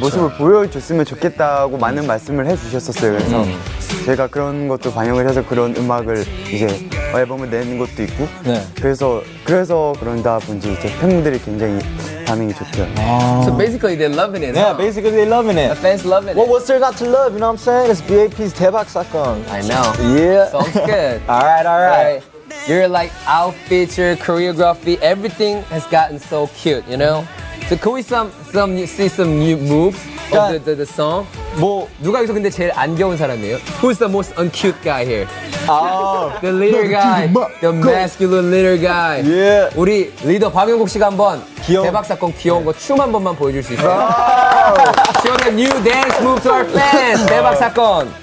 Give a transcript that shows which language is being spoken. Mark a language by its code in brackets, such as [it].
[ko] 모습을 보여줬으면 좋겠다고 많은 말씀을 해주셨었어요. 그래서 제가 그런 것도 반영을 해서 그런 음악을 이제 앨범을 내는 것도 있고 네. 그래서 그런다 본지 이제 팬분들이 굉장히 반응이 좋대요. [en] 아. So basically they're loving it. Yeah, huh? basically they're loving it. The fans love it. Well, what's there not to love? You know what I'm saying? It's B.A.P's 대박 사건. I know. Yeah. Sounds good. All right. You're like outfit, your choreography, everything has gotten so cute, you know? So could we see some new moves of the song? [ko] 뭐 누가 여기서 근데 제일 안 귀여운 사람이에요? [en] Who's the most uncute guy here? The leader guy. The masculine leader guy. Yeah. [ko] 우리 리더 박영국 씨가 한번 대박 사건 귀여운 거 춤 한 번만 보여 줄 수 있어요? [en] Show the new dance move to our fans. 대박 사건.